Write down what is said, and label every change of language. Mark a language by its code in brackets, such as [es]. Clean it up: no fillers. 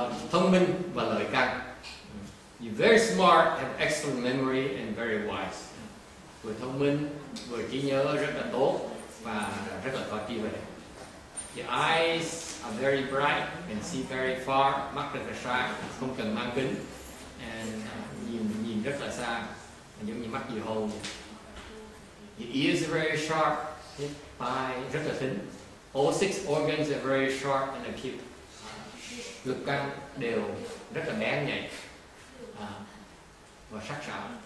[vi] Thông minh và lợi căng. [en] You're very smart, have excellent memory, and very wise. [vi] Vừa thông minh, vừa trí nhớ rất là tốt và rất là có trí tuệ. [en] Your eyes are very bright, can see very far, [vi] mắt rất là sáng, không cần mang kính, [en] and [vi] nhìn rất là xa, giống như mắt dì hồ. [en] Your ears are very sharp, [vi] tai rất là thính. [en] All six organs are very sharp and acute. [vi] Lực căng đều rất là bén nhạy và sắc sảo.